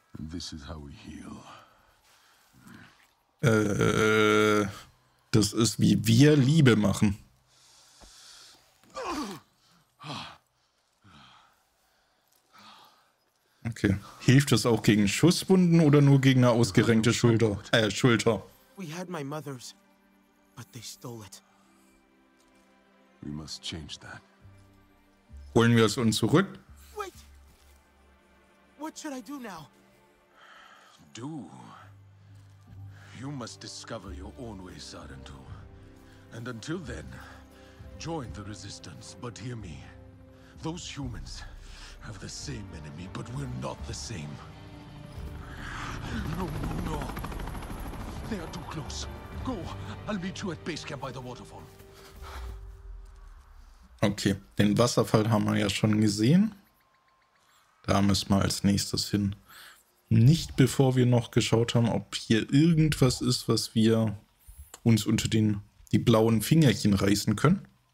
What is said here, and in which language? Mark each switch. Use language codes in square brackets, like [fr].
[en] This is how we heal. [de] Das ist, wie wir Liebe machen. Okay. Hilft das auch gegen Schusswunden oder nur gegen eine ausgerenkte Schulter? Schulter. [en] We had my mother's, but they stole it. We must change that. [de] Holen wir es uns zurück? [en] Wait. What should I do now? Do. You must discover your own way, Sarantu. And until then, join the resistance. But hear me. Those humans have the same enemy, but we're not the same. No, no, no. They are too close. Go, I'll meet you at base camp by the waterfall. [de] Okay, den Wasserfall haben wir ja schon gesehen. Da müssen wir als nächstes hin. Nicht bevor wir noch geschaut haben, ob hier irgendwas ist, was wir uns unter die blauen Fingerchen reißen können.